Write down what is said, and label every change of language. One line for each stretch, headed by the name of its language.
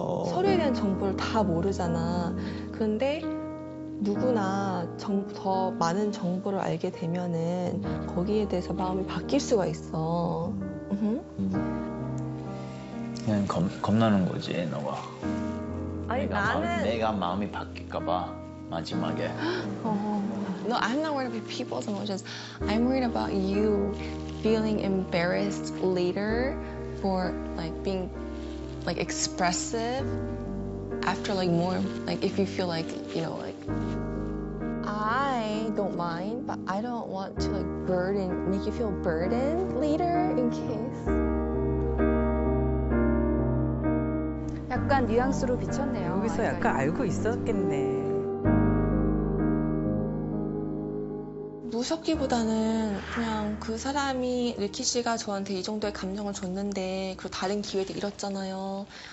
Korean: 서류에 대한 정보를 다 모르잖아. 근데 누구나 더 많은 정보를 알게 되면은 거기에 대해서 마음이 바뀔 수가 있어. 그냥 겁나는 거지, 너가. 아니, 내가 마음이 바뀔까 봐, 마지막에.
English: No, I'm not worried about people's emotions. I'm worried about you feeling embarrassed later for like being like expressive after like more like if you feel like you know like I don't mind but I don't want to like burden make you feel burdened later in case
Korean: 약간 뉘앙스로 비쳤네요. 여기서 약간 알고 있었겠네. 무섭기보다는 그냥 그 사람이 리키 씨가 저한테 이 정도의 감정을 줬는데 그리고 다른 기회도 잃었잖아요.